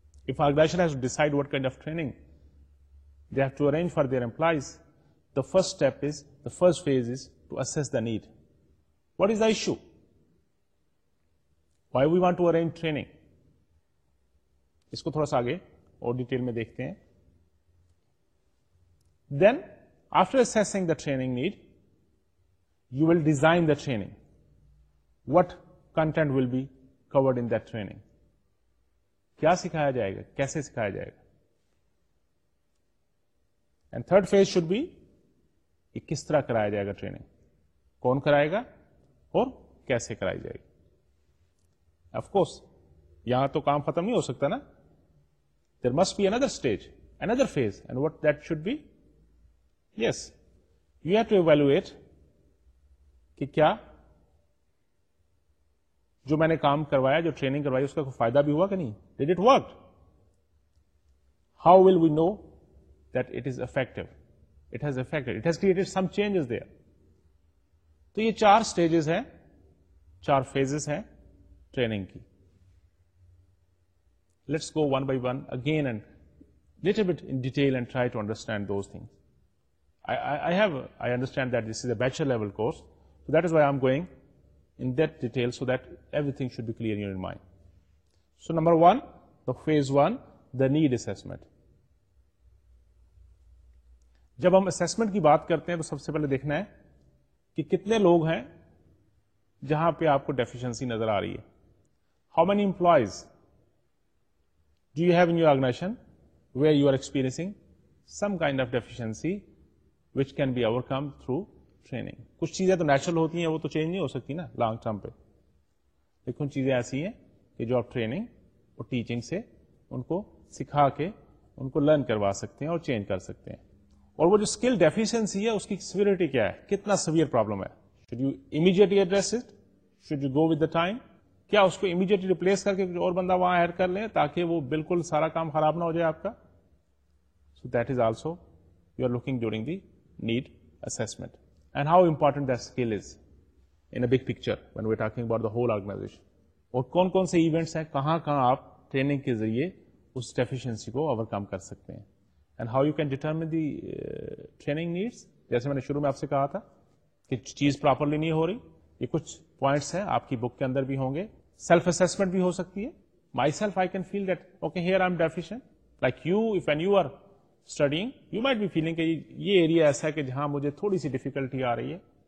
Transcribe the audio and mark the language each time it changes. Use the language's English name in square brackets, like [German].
[English] If organization has to decide what kind of training they have to arrange for their employees, the first step is the first phase is to assess the need. What is the issue Why we want to arrange training? [Urdu] اس کو تھوڑا سا آگے اور detail میں دیکھتے ہیں. [English] Then, after assessing the training need, you will design the training. What content will be covered in that training? [Urdu] کیا سکھایا جائے گا, کیسے سکھایا جائے گا. [English] And third phase should be, [Urdu] یہ کس طرح کرایا جائے گا ٹریننگ, کون کرائے گا اور کیسے کرائی جائے گی. [English] Of course, [Urdu] یہاں تو کام ختم نہیں ہو سکتا نا. [English] There must be another stage, another phase. And what that should be? Yes, you have to evaluate [Urdu] کہ کیا جو میں نے کام کروایا, جو ٹریننگ کروائی, اس کا کوئی فائدہ بھی ہوا کہ نہیں. [English] Did it work? How will we know that it is effective? It has affected, it has created some changes there. [Urdu] تو یہ چار stages ہیں, چار phases ہیں training کی. [English] Let's go one by one again and little bit in detail and try to understand those things. I understand that this is a bachelor level course, so that is why I'm going in that detail so that everything should be clear in your mind. So number one, the phase one, the need assessment. [Urdu] جب ہم assessment کی بات کرتے ہیں تو سب سے پہلے دیکھنا ہے کہ کتنے لوگ ہیں جہاں پہ آپ کو ڈیفیشنسی نظر آ رہی ہے. [English] How many employees do you have in your organization where you are experiencing some kind of deficiency which can be overcome through training. [Urdu] کچھ چیزیں تو نیچرل ہوتی ہیں, وہ تو چینج نہیں ہو سکتی نا لانگ ٹرم پہ, لیکن چیزیں ایسی ہیں کہ جو آپ ٹریننگ اور ٹیچنگ سے ان کو سکھا کے ان کو لرن کروا سکتے ہیں اور چینج کر سکتے ہیں. اور وہ جو اسکل ڈیفیشنسی ہے اس کی سیویریٹی کیا ہے, کتنا سیویئر پرابلم ہے. [English] should you immediately address it, should you go with the time, [Urdu] کیا اس کو امیجیٹلی ریپلیس کر کے کچھ اور بندہ وہاں ایڈ کر لیں تاکہ وہ بالکل سارا کام خراب نہ ہو جائے آپ کا. [English] So that is also you are looking during the need assessment and how important that skill is in a big picture when we talking about the whole organization. [Urdu] اور کون کون سے ایونٹس ہیں, کہاں کہاں آپ ٹریننگ کے ذریعے اس ڈیفیشنسی کو اوور کم کر سکتے ہیں. [English] And how you can determine the training needs. [Urdu] جیسے میں نے شروع میں آپ سے کہا تھا کہ چیز پراپرلی نہیں ہو رہی, یہ کچھ پوائنٹس ہیں آپ کی بک کے اندر بھی ہوں گے. سیلف اسسمنٹ بھی ہو سکتی ہے. [English] Myself I can feel that okay here I am deficient. Like you if when you are studying you might be feeling [Urdu] کہ یہ ایریا ایسا ہے کہ جہاں مجھے تھوڑی سی ڈیفیکلٹی آ رہی ہے.